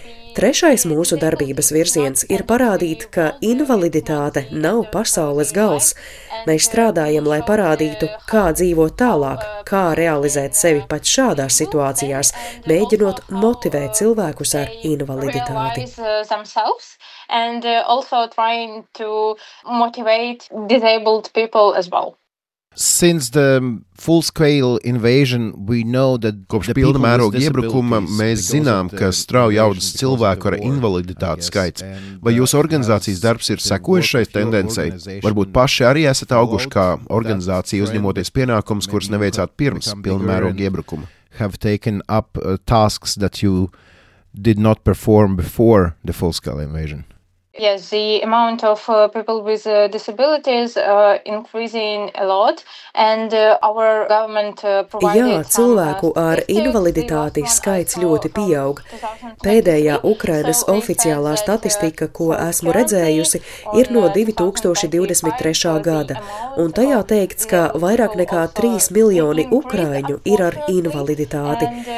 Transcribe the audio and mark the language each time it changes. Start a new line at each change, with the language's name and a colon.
Latvian: Trešais mūsu darbības virziens ir parādīt, ka invaliditāte nav pasaules gals. Mēs strādājam, lai parādītu, kā dzīvot tālāk, kā realizēt sevi pat šādās situācijās, mēģinot motivēt cilvēkus ar invaliditāti.
English: And also trying to motivate disabled people as well. Since the full-scale invasion, we know that
Latvian: kopš pilna mēroga iebrukuma mēs zinām, ka strauji audz cilvēku ar invaliditātes skaits. Vai jūsu organizācijas darbs ir sekojušais tendencei? Varbūt paši arī esat auguši kā organizācija uzņemoties pienākums, kurus neveicāt pirms pilna mēroga iebrukuma.
English: Have taken up tasks that you did not perform before the full-scale invasion. Yes, the amount of people with disabilities increasing a lot, and our government provided.
Latvian: Jā, cilvēku ar invaliditāti skaits ļoti pieaug. Pēdējā Ukrainas oficiālā statistika, ko esmu redzējusi, ir no 2023. Gada, un tajā teikts, ka vairāk nekā 3 miljoni ukraiņu ir ar invaliditāti.